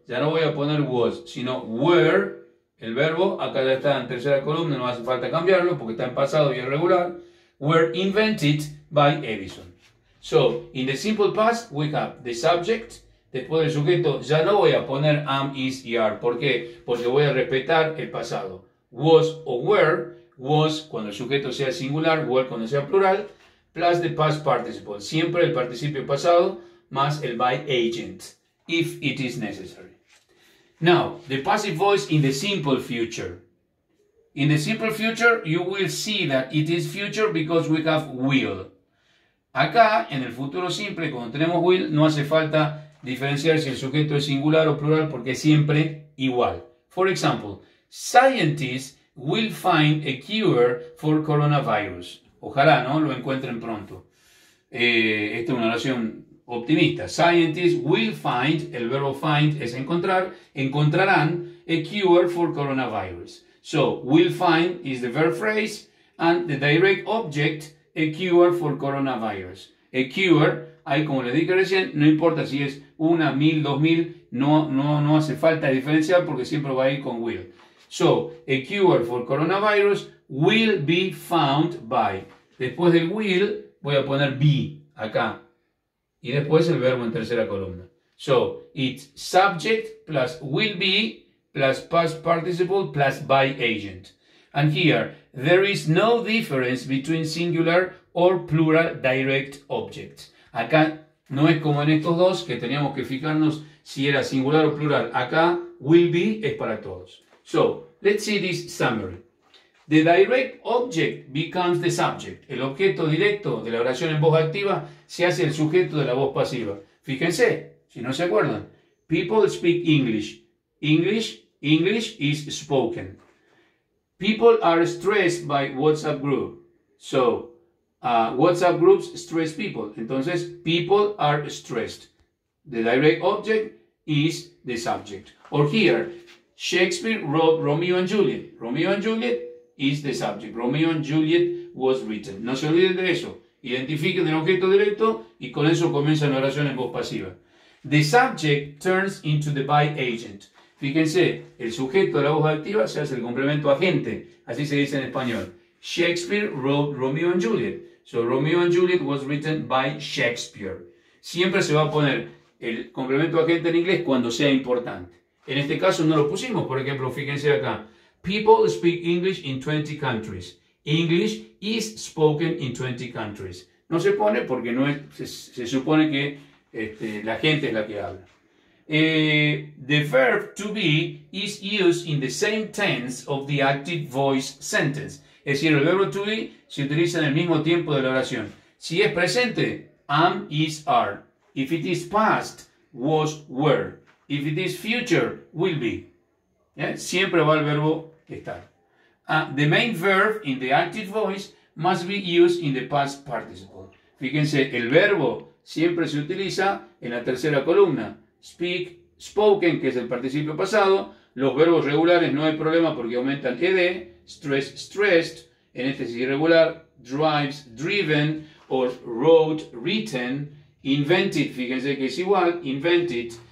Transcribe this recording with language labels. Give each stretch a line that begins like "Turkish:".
Spanish: Ya no voy a poner was, sino were. El verbo, acá ya está en tercera columna, no hace falta cambiarlo porque está en pasado y irregular.
English: Were invented by Edison. So, in the simple past, we have the subject.
Spanish: Después del sujeto, ya no voy a poner am, is y are. ¿Por qué? Porque voy a respetar el pasado. Was o were. Was cuando el sujeto sea singular, were cuando sea plural.
English: Plus the past participle.
Spanish: Siempre el participio pasado más el by agent.
English: If it is necessary. Now, the passive voice in the simple future. In the simple future, you will see that it is future because we have will.
Spanish: Acá, en el futuro simple, cuando tenemos will, no hace falta diferenciar si el sujeto es singular o plural porque es siempre igual.
English: For example, scientists will find a cure for coronavirus.
Spanish: Ojalá, ¿no? Lo encuentren pronto. Esta es una oración optimista.
English: Scientists will find,
Spanish: el verbo find es encontrar, encontrarán
English: a cure for coronavirus. So, will find is the verb phrase and the direct object, a cure for coronavirus.
Spanish: A cure, ahí como les dije recién, no importa si es una, mil, dos mil, no hace falta diferenciar porque siempre va a ir con will.
English: So, a cure for coronavirus will be found by.
Spanish: Después del will, voy a poner be acá. Y después el verbo en tercera columna.
English: So, it's subject plus will be plus past participle plus by agent. And here, there is no difference between singular or plural direct objects.
Spanish: Acá no es como en estos dos que teníamos que fijarnos si era singular o plural. Acá, will be es para todos.
English: So, let's see this summary. The direct object becomes the subject.
Spanish: El objeto directo de la oración en voz activa se hace el sujeto de la voz pasiva. Fíjense, si no se acuerdan.
English: People speak English. English is spoken. People are stressed by WhatsApp group. So, WhatsApp groups stress people. Entonces, people are stressed. The direct object is the subject. Or here, Shakespeare wrote Romeo and Juliet. Romeo and Juliet is the subject. Romeo and Juliet was written.
Spanish: No se olviden de eso. Identifiquen el objeto directo y con eso comienza la oración en voz pasiva.
English: The subject turns into the by agent.
Spanish: Fíjense, el sujeto de la voz activa se hace el complemento agente. Así se dice en español.
English: Shakespeare wrote Romeo and Juliet. So, Romeo and Juliet was written by Shakespeare.
Spanish: Siempre se va a poner el complemento agente en inglés cuando sea importante. En este caso no lo pusimos. Por ejemplo, fíjense acá.
English: People speak English in 20 countries. English is spoken in 20 countries.
Spanish: No se pone porque no es, se supone que la gente es la que habla.
English: The verb to be is used in the same tense of the active voice sentence.
Spanish: Es decir, el verbo to be se utiliza en el mismo tiempo de la oración. Si es presente,
English: am, is, are. If it is past, was, were. If it is future, will be.
Spanish: ¿Eh? Siempre va el verbo estar.
English: The main verb in the active voice must be used in the past participle.
Spanish: Fíjense, el verbo siempre se utiliza en la tercera columna. Speak, spoken, que es el participio pasado. Los verbos regulares no hay problema porque aumentan ED. Stress, stressed. En este es irregular. Drives, driven. O wrote, written. Invented, fíjense que es igual. Invented.